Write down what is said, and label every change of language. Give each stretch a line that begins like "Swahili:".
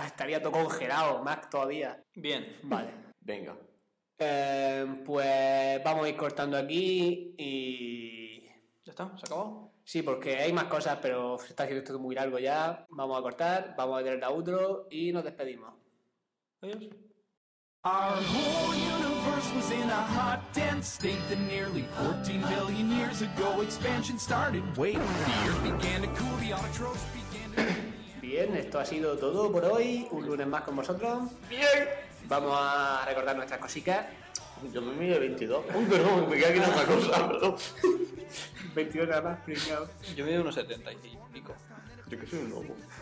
Spanish: Estaría todo congelado, Mac, todavía. Bien. Vale. Venga. Pues vamos a ir cortando aquí y... ¿Ya está? ¿Se acabó? Sí, porque hay más cosas, pero se está haciendo esto muy largo ya. Vamos a cortar, vamos a tener la outro y nos despedimos. Adiós.
English: Our whole universe was in a hot, dense state that nearly 14 billion years ago expansion started. Wait, the earth began to cool, the autotrophs began to...
Spanish: Bien, esto ha sido todo por hoy. Un lunes más con vosotros. Bien. Vamos a recordar nuestras cositas. Yo me mido 22. Uy, perdón, me queda aquí otra cosa, perdón. 22 nada más, pringado. Yo mido unos 70 y pico. Yo que soy un lobo.